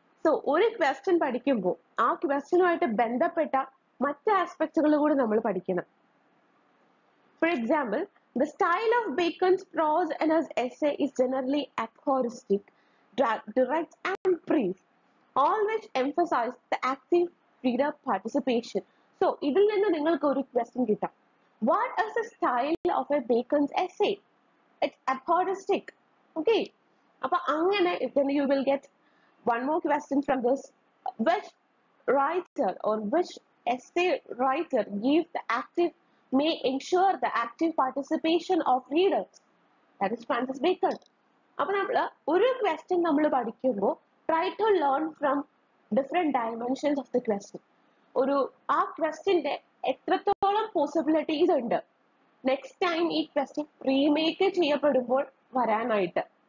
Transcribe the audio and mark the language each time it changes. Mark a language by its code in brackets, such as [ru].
[ml] So ഒരു question പഠിക്കുമ്പോൾ ആ ക്വസ്റ്റ്യനുമായിട്ട് ബന്ധപ്പെട്ട മറ്റ് ആസ്പെക്ടുകൾ കൂടി നമ്മൾ പഠിക്കണം. [en] For example, the style of Bacon's prose and his essay is generally aphoristic, direct and brief, all which emphasize the active reader participation. So [ml] idil ninnu ningalku oru question kittam, [en] what is the style of a Bacon's essay? It's aphoristic. Okay, [ml] appo angane [en] then you will get one more question from this, which writer or which essay writer gave the active, may ensure the active participation of readers? That is Francis Bacon. [ml] അപ്പൊ നമ്മള് ഒരു question നമ്മൾ പഠിക്കുമ്പോൾ [en] Try to learn from different dimensions of the question. [ml] ഒരു ആ ക്വസ്റ്റ്യന്റെ എത്രത്തോളം possibilities ഉണ്ട് next time ഈ ക്വസ്റ്റ്യൻ റീമേക്ക് ചെയ്യപ്പെടുമ്പോൾ വരാനായിട്ട്.